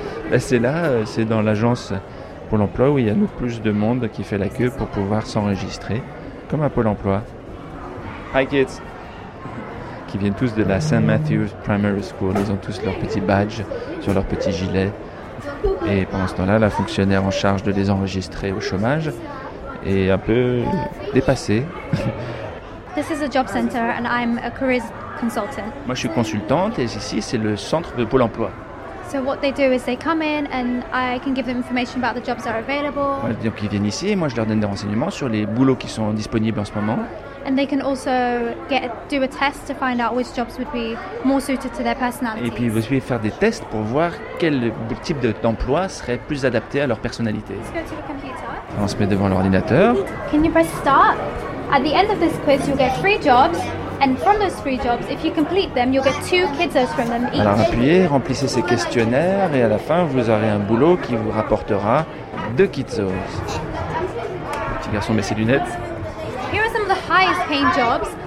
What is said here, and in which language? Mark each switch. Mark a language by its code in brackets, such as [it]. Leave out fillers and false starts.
[fr] Ben c'est là, c'est dans l'agence pour l'emploi où il y a le plus de monde qui fait la queue pour pouvoir s'enregistrer, comme à Pôle emploi. [en] Hi kids. [fr] Qui viennent tous de la St. Matthew's Primary School. Ils ont tous leur petit badge sur leur petit gilet. Et pendant ce temps-là, la fonctionnaire en charge de les enregistrer au chômage et un peu dépassé. [en] This is a job center and I'm a careers consultant. [fr] Moi je suis consultante et ici c'est le centre de Pôle emploi. [en] So what they do is they come in and I can give them information about the jobs that are available. [fr] Ouais, donc ils viennent ici et moi je leur donne des renseignements sur les boulots qui sont disponibles en ce moment. [en] And they can also do a test to find out which jobs would be more suited to their personality. [fr] Et puis vous pouvez faire des tests pour voir quel type d'emploi serait plus adapté à leur personnalité. [en] Let's go to the computer. [fr] On se met devant l'ordinateur. [en] Can you press start? At the end of this quiz, you'll get 3 jobs, and from those 3 jobs, if you complete them, you'll get 2 kidzos from them each. [fr] Alors appuyez, remplissez ces questionnaires, et à la fin, vous aurez un boulot qui vous rapportera 2 kidzos. Le petit garçon met ses lunettes. [en] Here are some of the highest-paying jobs.